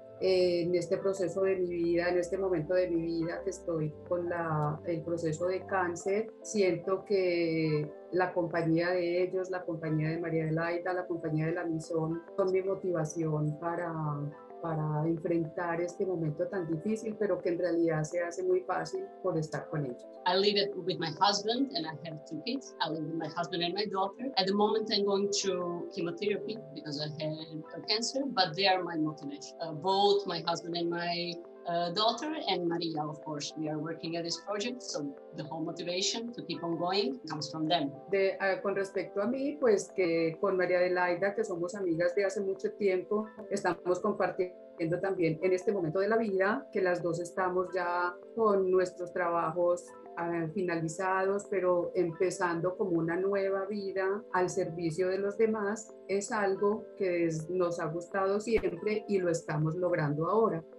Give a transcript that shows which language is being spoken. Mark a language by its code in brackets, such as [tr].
[es] En este proceso de mi vida, en este momento de mi vida que estoy con el proceso de cáncer, siento que la compañía de ellos, la compañía de María Adelaida, la compañía de la misión son mi motivación para enfrentar este momento tan difícil, pero que en realidad se hace muy fácil por estar con ellos. [en] I live with my husband and I have two kids. I live with my husband and my daughter. At the moment, I'm going through chemotherapy because I have cancer, but they are my motivation. Both my husband and my daughter and Maria, of course, we are working at this project, so the whole motivation to keep on going comes from them. [es] Con respecto a mí, pues que con María Adelaida, que somos amigas de hace mucho tiempo, estamos compartiendo también en este momento de la vida, que las dos estamos ya con nuestros trabajos finalizados, pero empezando como una nueva vida al servicio de los demás, es algo que nos ha gustado siempre y lo estamos logrando ahora.